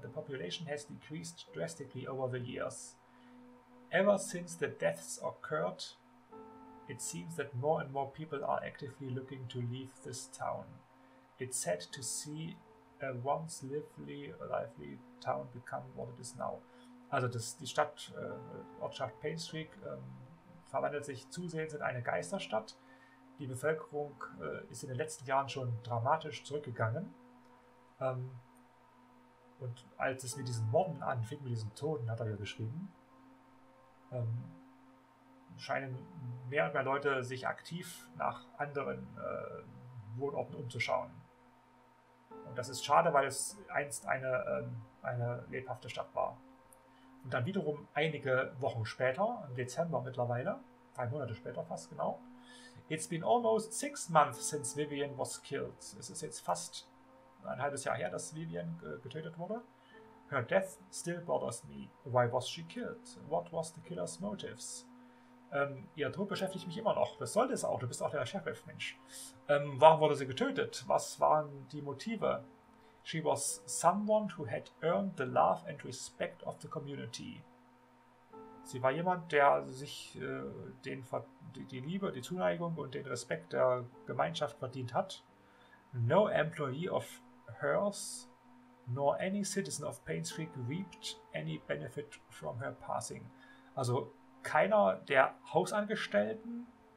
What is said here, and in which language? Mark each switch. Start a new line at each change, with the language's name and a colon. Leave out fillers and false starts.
English: The population has decreased drastically over the years. Ever since the deaths occurred, it seems that more and more people are actively looking to leave this town. It's sad to see a once lively town become what it is now.
German: Also die Stadt, Ortschaft Payne Street, verwandelt sich zusehends in eine Geisterstadt. Die Bevölkerung ist in den letzten Jahren schon dramatisch zurückgegangen. Und als es mit diesen Morden anfing, mit diesen Toten, hat er ja geschrieben, scheinen mehr und mehr Leute sich aktiv nach anderen Wohnorten umzuschauen. Und das ist schade, weil es einst eine lebhafte Stadt war. Und dann wiederum einige Wochen später, im Dezember mittlerweile, 3 Monate später fast genau,
English: it's been almost 6 months since Vivian was killed.
German: Es ist jetzt fast ein halbes Jahr her, dass Vivian getötet wurde.
English: Her death still bothers me. Why was she killed? What was the killer's motives?
German: Ihr Tod beschäftigt mich immer noch. Das sollte es auch. Du bist auch der Sheriff, Mensch. Warum wurde sie getötet? Was waren die Motive?
English: She was someone who had earned the love and respect of the community.
German: Sie war jemand, der sich die Liebe, die Zuneigung und den Respekt der Gemeinschaft verdient hat.
English: No employee of hers nor any citizen of Payne Street reaped any benefit from her passing.
German: Also keiner der Hausangestellten